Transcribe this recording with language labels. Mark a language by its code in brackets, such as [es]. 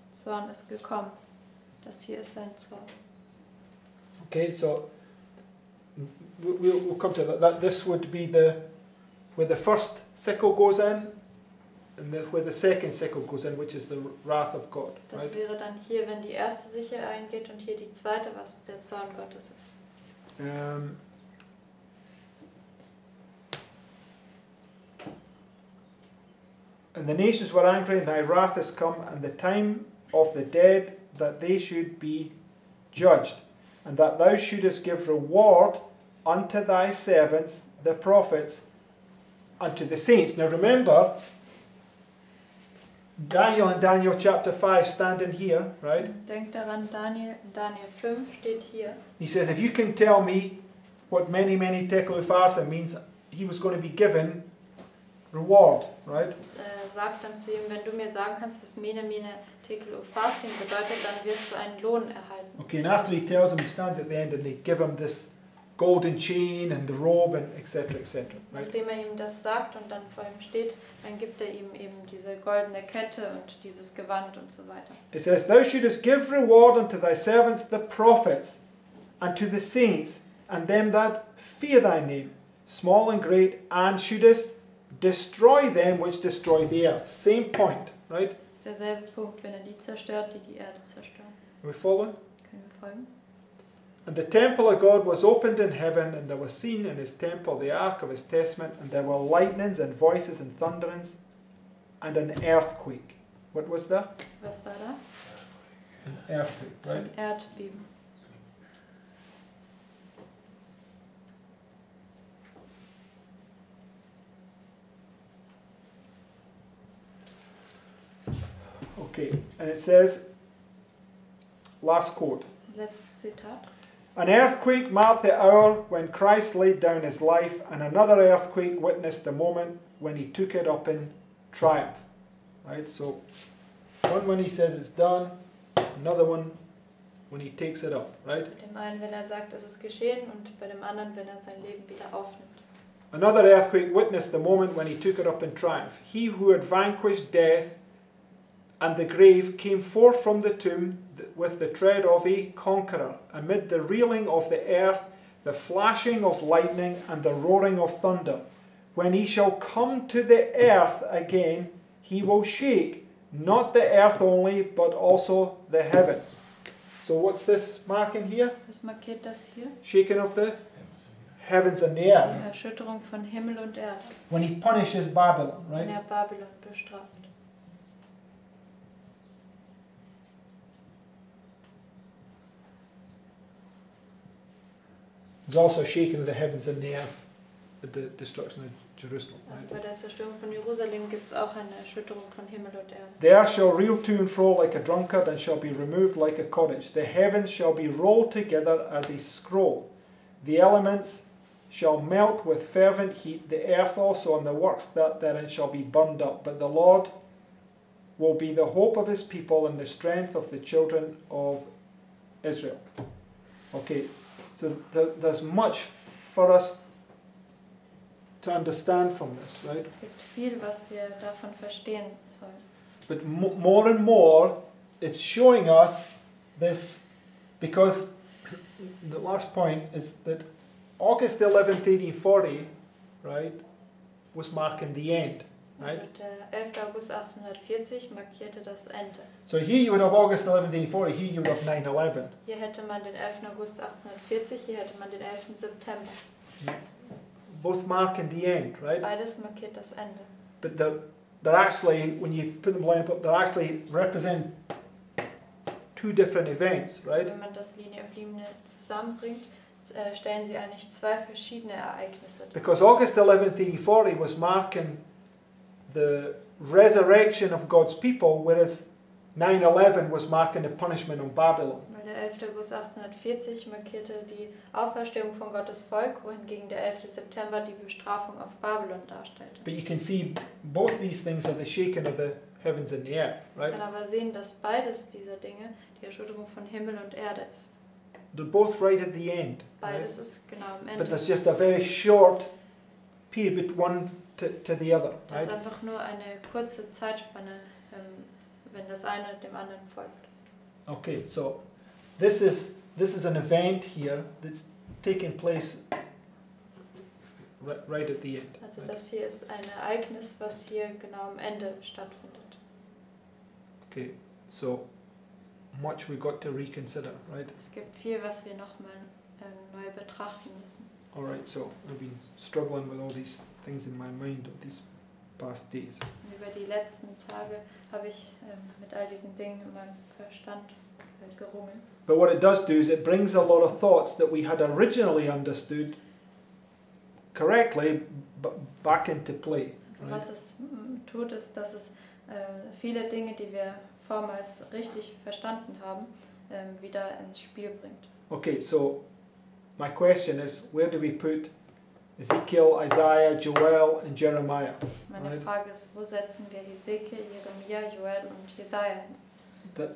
[de] Zorn ist gekommen. Das hier ist sein Zorn. [en] Okay, so we'll come to that. This would be the where the first sickle goes in, and where the second sickle goes in, which is the wrath of God. [de] Das [en] right? [de] Wäre dann hier, wenn die erste Sichel eingeht, und hier die zweite, was der Zorn Gottes ist. [en] And the nations were angry, and thy wrath has come, and the time of the dead, that they should be judged, and that thou shouldest give reward unto thy servants, the prophets, unto the saints. Now remember, Daniel in Daniel chapter 5 standing here, right? [de] Denk daran, Daniel 5 steht hier. [en] He says, if you can tell me what many, many tekelupharsin means, he was going to be given reward, right? [de] Sagt dann zu ihm, wenn du mir sagen kannst, was mene mene tekel ufasim bedeutet, dann wirst du einen Lohn erhalten. [en] Okay, and after he tells him, he stands at the end and they give him this golden chain and the robe and etc. etc. Right? [de] Indem er ihm das sagt und dann vor ihm steht, dann gibt er ihm eben diese goldene Kette und dieses Gewand und so weiter. [en] It says, "Thou shouldest give reward unto thy servants the prophets, and to the saints, and them that fear thy name, small and great, and shouldest destroy them which destroy the earth." Same point, right? [de] Das ist derselbe Punkt, wenn er die zerstört, die die Erde zerstören. [en] Are we following? [de] Können wir folgen? [en] And the temple of God was opened in heaven, and there was seen in his temple the ark of his testament, and there were lightnings and voices and thunderings, and an earthquake. What was that? [de] Was war da? [en] An earthquake, right? [de] Ein Erdbeben. [en] Okay, and it says, last quote. Let's sit up. An earthquake marked the hour when Christ laid down his life, and another earthquake witnessed the moment when he took it up in triumph. Right, so one when he says it's done, another one when he takes it up, right? [de] Bei dem einen, wenn er sagt, es ist geschehen, und bei dem anderen, wenn er sein Leben wieder aufnimmt. [en] Another earthquake witnessed the moment when he took it up in triumph. He who had vanquished death and the grave came forth from the tomb with the tread of a conqueror, amid the reeling of the earth, the flashing of lightning, and the roaring of thunder. When he shall come to the earth again, he will shake not the earth only, but also the heaven. So what's this marking here? [de] Was markiert das hier? [en] Shaking of the heavens and the earth. [de] Die Erschütterung von Himmel und Erde. [en] When he punishes Babylon, right? [de] Wenn er Babylon bestraft. [en] Is also shaking of the heavens and the earth at the destruction of Jerusalem. [de] Also bei der Zerstörung von Jerusalem gibt's auch eine Erschütterung von Himmel und Erde. [en] The earth shall reel to and fro like a drunkard, and shall be removed like a cottage. The heavens shall be rolled together as a scroll. The elements shall melt with fervent heat, the earth also and the works that therein shall be burned up. But the Lord will be the hope of his people and the strength of the children of Israel. Okay. So there's much for us to understand from this, right? [de] Es gibt viel, was wir davon verstehen sollen. [en] But more and more, it's showing us this, because the last point is that August 11th, 1840, right, was marking the end. Right? [de] Also der 11. August 1840 markierte das Ende. [en] So here you would have August 11, 1840, here you would have 9/11. [de] Hier hätte man den 11. August 1840, hier hätte man den 11. September. [en] Both marking the end, right? [de] Beides markiert das Ende. [en] But they're actually, when you put them line up, they're actually represent two different events, right? [de] Wenn man das Linie auf Linie zusammenbringt, stellen sie eigentlich zwei verschiedene Ereignisse dar. [en] Because August 11, 1840 was marking the resurrection of God's people, whereas 9/11 was marking the punishment on Babylon. [de] Weil der 11. August 1840 markierte die Auferstehung von Gottes Volk, wohingegen der 11. September die Bestrafung auf Babylon darstellte. [en] But you can see both these things are the shaking of the heavens and the earth, right? [de] Man kann aber sehen, dass beides dieser Dinge die Erschütterung von Himmel und Erde ist. [en] They're both right at the end. [de] Beides [en] right? [de] Ist genau am Ende. [en] But there's just a very short period between one to the other, right? [de] Das ist einfach nur eine kurze Zeitspanne, wenn das eine dem anderen folgt. [en] Okay, so this is an event here that's taking place right at the end. [de] Also das hier ist ein Ereignis, was hier genau am Ende stattfindet. [en] Okay, so much we got to reconsider, right? [de] Es gibt viel, was wir nochmal neu betrachten müssen. [en] All right, so I've been struggling with all these things in my mind of these past days. [de] Über die letzten Tage habe ich mit all diesen Dingen in meinem Verstand gerungen. [en] But what it does do is it brings a lot of thoughts that we had originally understood correctly back into play. Right? [de] Was es tut, ist, dass es viele Dinge, die wir vormals richtig verstanden haben, wieder ins Spiel bringt. [en] Okay, so my question is, where do we put Ezekiel, Isaiah, Joel and Jeremiah? [de] Meine [en] right? [de] Frage ist, wo setzen wir Ezekiel, Jeremiah, Joel und Jesaja hin?